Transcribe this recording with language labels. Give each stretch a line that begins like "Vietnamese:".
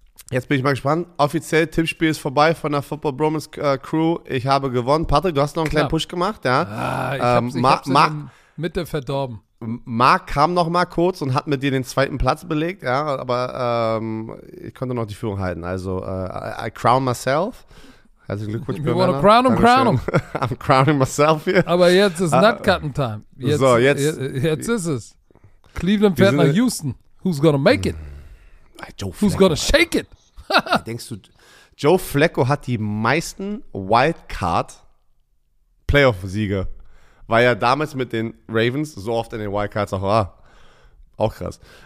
German: Jetzt bin ich mal gespannt. Offiziell, Tippspiel ist vorbei von der Football Bromance Crew. Ich habe gewonnen. Patrick, du hast noch einen kleinen Push gemacht, ja? Ich hab's in Mitte verdorben. Marc kam noch mal kurz und hat mit dir den zweiten Platz belegt, ja? Aber ich konnte noch die Führung halten.
English: Also, I crown myself.
German: Herzlichen Glückwunsch,
English: Björn. You wanna crown him, crown him. I'm crowning myself here.
German: Aber jetzt ist Nutcutting Time. Jetzt ist es. Cleveland fährt nach Houston.
English: Who's gonna make it? Joe Who's gonna shake it?
German: Denkst du, Joe Flacco hat die meisten Wildcard-Playoff-Siege, weil er damals mit den Ravens so oft in den Wildcards auch war. Auch krass.